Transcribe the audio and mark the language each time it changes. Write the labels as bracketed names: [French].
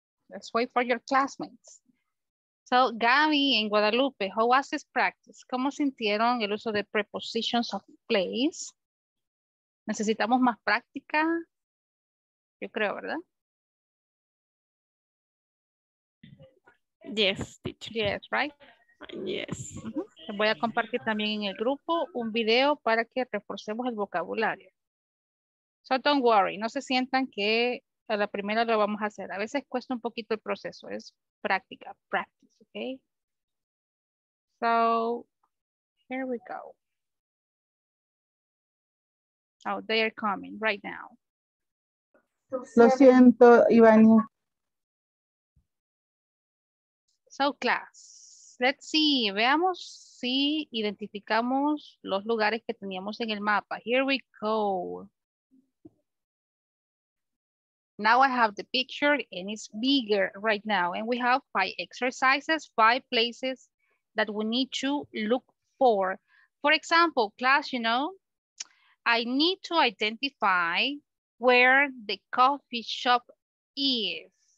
[English] Let's wait for your classmates. So, Gaby and Guadalupe, how was this practice? [Spanish] ¿Cómo sintieron el uso de prepositions of place? ¿Necesitamos más práctica? Yo creo, ¿verdad? [English] Yes, teacher. Yes, right? Yes. Uh-huh. [Spanish] Voy a compartir también en el grupo un video para que reforcemos el vocabulario. [English] So don't worry, [Spanish] no se sientan que a la primera lo vamos a hacer. A veces cuesta un poquito el proceso, es práctica, practice, okay? [English] So, here we go. Oh, they are coming right now. [Spanish] Lo siento, Ivani. [English] So class, let's see, [Spanish] veamos si identificamos los lugares que teníamos en el mapa. [English] Here we go. Now I have the picture and it's bigger right now. And we have 5 exercises, 5 places that we need to look for. For example, class, you know, I need to identify where the coffee shop is.